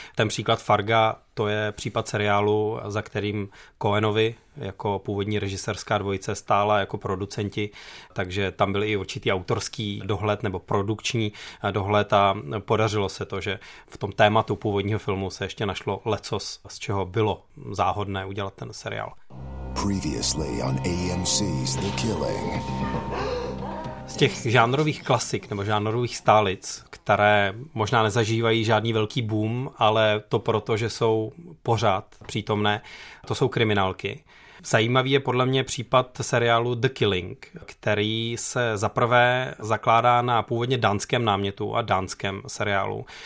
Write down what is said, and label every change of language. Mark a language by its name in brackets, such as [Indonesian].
[Czech] Ten příklad Farga, to je případ seriálu, za kterým Coenovi jako původní režisérská dvojice stála jako producenti, takže tam byl i určitý autorský dohled nebo produkční dohled a podařilo se to, že v tom tématu původního filmu se ještě našlo lecos, z čeho bylo záhodné udělat ten seriál. [English] Previously on AMC's The Killing. [Czech] Z těch žánrových klasik nebo žánrových stálic, které možná nezažívají žádný velký boom, ale to proto, že jsou pořád přítomné, to jsou kriminálky. Zajímavý je podle mě případ seriálu The Killing, který se zaprvé zakládá na původně dánském námětu a dánském seriálu.